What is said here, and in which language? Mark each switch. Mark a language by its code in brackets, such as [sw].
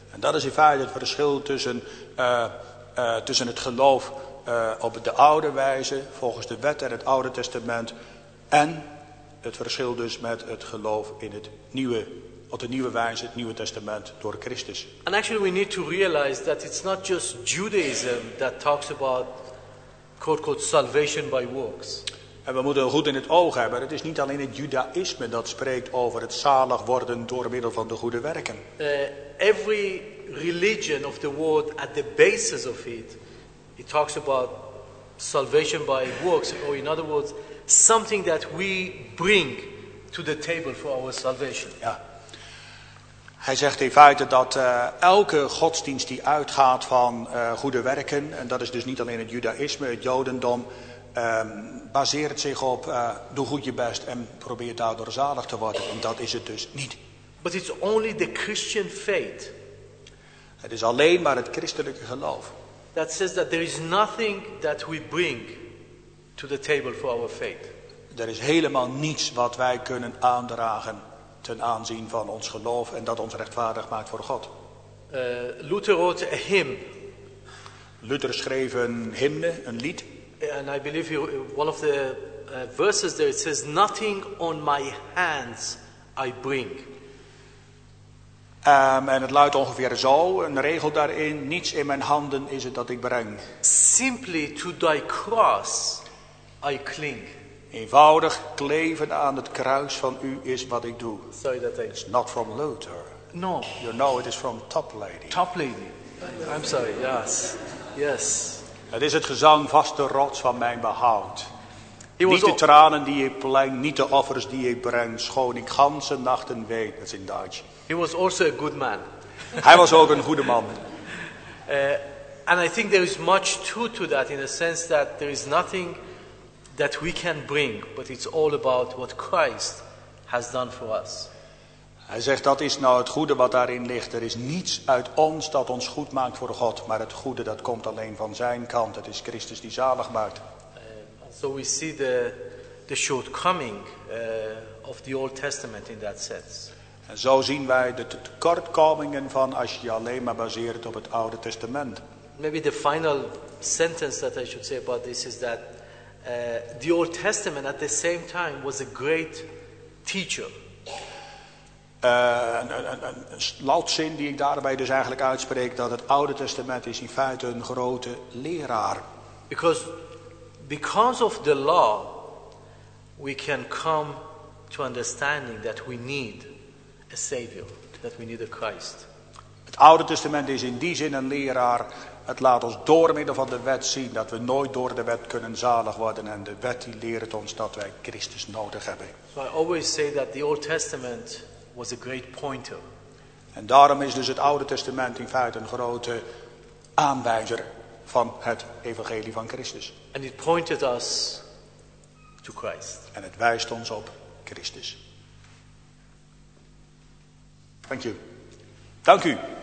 [nl] En dat is in feite het verschil tussen het geloof op de oude wijze volgens de wet en het Oude Testament en het verschil dus met het geloof in het nieuwe op de nieuwe wijze het Nieuwe Testament door Christus. [en] And actually we need to realize that it's not just Judaism that talks about quote salvation by works. [nl] En we moeten goed in het oog hebben. Het is niet alleen het Judaïsme dat spreekt over het zalig worden door middel van de goede werken. [en] Every religion of the world at the basis of it talks about salvation by works, or in other words, something that we bring to the table for our salvation. [nl] Ja. Hij zegt in feite dat elke godsdienst die uitgaat van goede werken, en dat is dus niet alleen het Judaïsme, het Jodendom, baseert zich op doe goed je best en probeer daardoor zalig te worden. En dat is het dus niet. [en] But it's only the Christian faith. [nl] Het is alleen maar het christelijke geloof. [en] That says that there is nothing that we bring to the table for our faith. [nl] Er is helemaal niets wat wij kunnen aandragen ten aanzien van ons geloof en dat ons rechtvaardig maakt voor God. [en] Luther wrote a hymn. [nl] Luther schreef een hymne, een lied. [en] And I believe one of the verses there, it says, nothing on my hands I bring. [nl] En het luidt ongeveer zo, een regel daarin, niets in mijn handen is het dat ik breng. [en] Simply to thy cross I cling. [nl] Eenvoudig kleven aan het kruis van u is wat ik doe. [en] Sorry that I... It's not from Luther. No. You know it is from Toplady. Toplady. I'm sorry, yes. Yes. [nl] Het is het gezang vaste rots van mijn behoud. Niet de tranen die ik pleng, niet de offers die ik breng, schoon ik ganse nachten ween. Dat is in Duits. [en] He was also a good man. [nl] Hij was ook een goede man. [en] And I think there is much truth to that in the sense that there is nothing that we can bring, but it's all about what Christ has done for us. [nl] Hij zegt dat is nou het goede wat daarin ligt. Er is niets uit ons dat ons goed maakt voor God, maar het goede dat komt alleen van zijn kant. Het is Christus die zalig maakt. [en] So we see the shortcoming of the Old Testament in that sense. [nl] En zo zien wij de tekortkomingen van als je alleen maar baseert op het Oude Testament. [en] Maybe the final sentence that I should say about this is that the Old Testament at the same time was a great teacher. [nl] Een slotzin die ik daarbij dus eigenlijk uitspreek, dat het Oude Testament is in feite een grote leraar. [en] Because of the law, we can come to understanding that we need a Savior, that we need a Christ. [nl] Het Oude Testament is in die zin een leraar. Het laat ons door middel van de wet zien dat we nooit door de wet kunnen zalig worden. En de wet die leert ons dat wij Christus nodig hebben. [en] So I always say that the Old Testament was a great pointer. [nl] En daarom is dus het Oude Testament in feite een grote aanwijzer van het evangelie van Christus. [en] And it pointed us to Christ. [nl] En het wijst ons op Christus. [en] Thank you. [nl] Dank u.